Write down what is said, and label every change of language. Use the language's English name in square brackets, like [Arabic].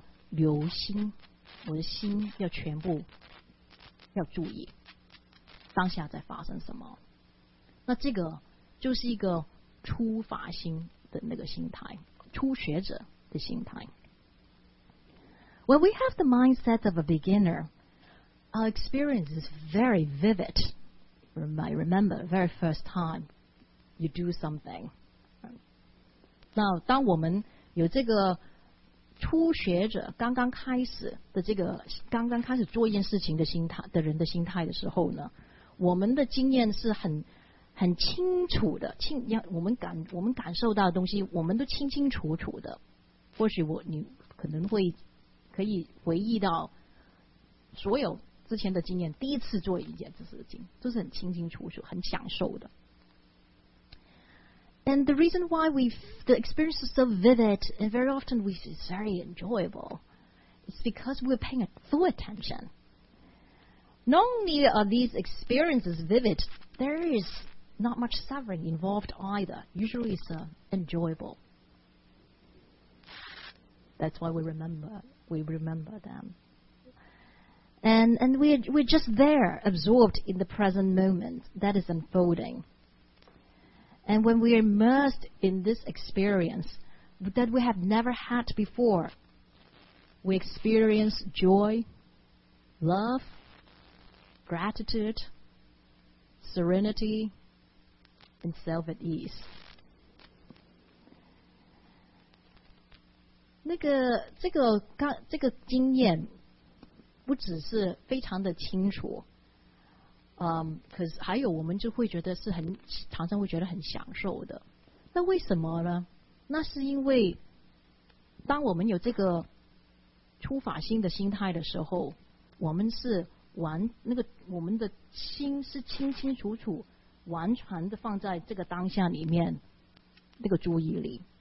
[Chinese] 留心，我的心要全部要注意当下在发生什么。那这个就是一个初发心的那个心态，初学者的心态。 [English] When we have the mindset of a beginner, our experience is very vivid. You might remember the very first time you do something. [Chinese] 那当我们有这个初学者刚刚开始的这个刚刚开始做一件事情的心态的人的心态的时候呢，我们的经验是很清楚的，我们感受到的东西我们都清清楚楚的。或许你可能会可以回忆到所有之前的经验，第一次做一件事情就是很清清楚楚很享受的。 [English] And the reason why the experience is so vivid and very often it's very enjoyable is because we're paying full attention. Not only are these experiences vivid, there is not much suffering involved either. Usually it's enjoyable. That's why we remember them. And we're just there, absorbed in the present moment that is unfolding. And when we are immersed in this experience that we have never had before, we experience joy, love, gratitude, serenity, and self at ease. [Chinese] 那个这个经验不只是非常的清楚。可是还有我们就会觉得是很常常会觉得很享受的。那为什么呢？那是因为当我们有这个初发心的心态的时候，我们是我们的心是清清楚楚完全的放在这个当下里面那个注意力。